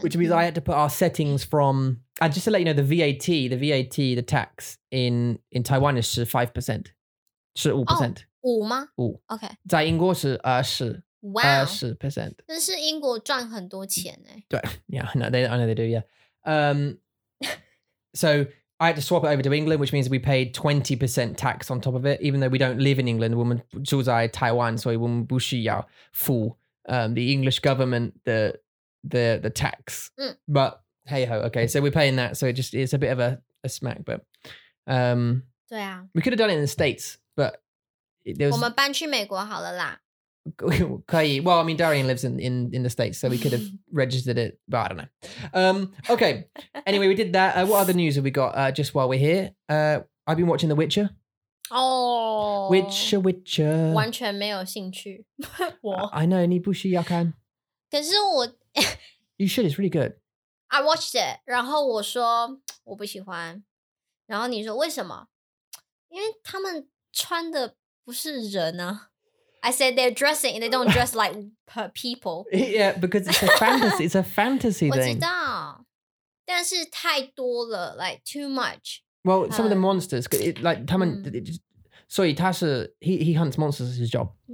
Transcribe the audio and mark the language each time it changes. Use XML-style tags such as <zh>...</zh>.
<en>which means I had to put our settings from. Just to let you know, the VAT, the tax in Taiwan is 5%, 15%.</en> <zh>5吗? 5.</zh> <en>Okay.</en> <zh>在英国是 20%. 但是英国赚很多钱呢。对,</zh> <en>yeah, no, they, I know they do. Yeah. so I had to swap it over to England, which means we paid 20% tax on top of it, even though we don't live in England. We're from Taiwan, so we don't need to pay the English government the tax. But hey ho, okay, so we're paying that. So it's a bit of a smack, but we could have done it in the States, but there was.</en> <zh>我们搬去美国好了啦。可以,</zh> <en>well, I mean, Darian lives in the States, so we could have registered it, but I don't know. Okay, anyway, we did that. What other news have we got just while we're here? I've been watching The Witcher. Oh. Witcher.</en> <zh>完全没有兴趣.</zh> <en>I know,</en> <zh>你不需要看. 可是我...</zh> <en>you should, it's really good. I watched it,</en> <zh>然后我说我不喜欢.然后你说为什么? 因为他们穿的不是人啊.</zh> <en>I said they're dressing and they don't dress like people. Yeah, because it's a fantasy. It's a fantasy thing.</en> <zh>我知道，但是太多了,</zh> <en>like too much. Well, some of the monsters, it, like,</en> <zh>他们,</zh> <en>he hunts monsters as his job.</en>